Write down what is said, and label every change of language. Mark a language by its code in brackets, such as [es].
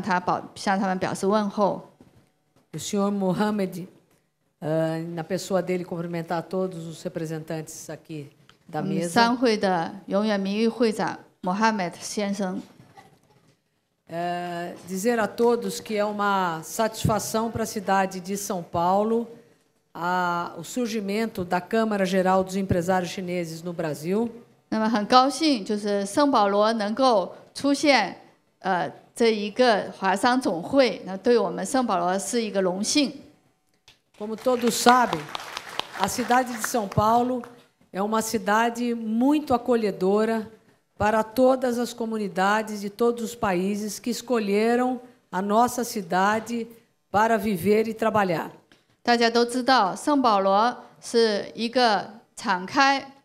[zh] 在座的每一位市议员向他表示问候。 [pt] O senhor Mohamed, na pessoa dele, cumprimentar todos os representantes aqui da mesa. [zh] 三会的永远名誉会长 Mohamed 先生。 [pt] Dizer a todos que é uma satisfação para a cidade de São Paulo o surgimento da Câmara Geral dos Empresários Chineses no Brasil. [zh] 那么很高兴，就是圣保罗能够 出现这一个华商总会，那对我们圣保罗是一个荣幸。 [pt] Como todos sabem, a cidade de São Paulo é uma cidade muito acolhedora para todas as comunidades de todos os países que escolheram a nossa cidade para viver e trabalhar. [zh] 大家都知道，圣保罗是一个敞开。